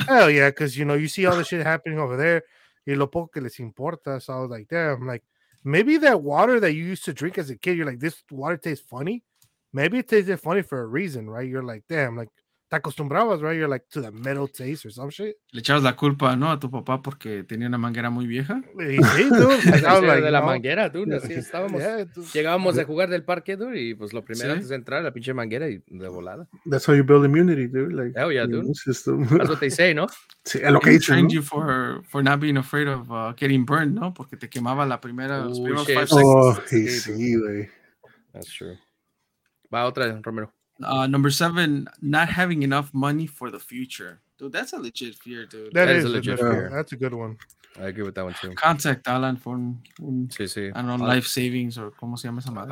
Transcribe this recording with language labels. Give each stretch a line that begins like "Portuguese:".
English: Hell yeah, because you know, you see all the shit happening over there.
Spanish: Y lo poco que les importa.
English: So I was like, damn, like, maybe that water that you used to drink as a kid, you're like, this water tastes funny. Maybe it tasted funny for a reason, right? You're like, damn, like,
Spanish: te acostumbrabas,
English: right? You're like, to the metal taste or some shit.
Spanish: Le echabas la culpa, ¿no? A tu papá porque tenía una manguera muy vieja.
English: Sí, dude. Like,
Spanish: de la manguera, dude. Así estábamos. Yeah, llegábamos a jugar del parque, dude. Y pues lo primero antes de entrar, la pinche manguera y de volada.
English: That's how you build immunity, dude. Like, hell yeah, dude. That's what they say, ¿no?
Spanish: Sí, es lo que dicen,
English: trained, ¿no? You for not being afraid of getting burned, ¿no?
Spanish: Porque te quemaba la primera, los primeros
English: 5 seconds.
Spanish: Oh, sí, sí, güey.
English: That's true.
Spanish: Va otra,
English: Romero. Number 7, not having enough money for the future. Dude, that's a legit fear, dude. That is a legit fear. That's a good one. I agree with that one, too. Contact Alan for, life savings or
Spanish: como se llama esa madre.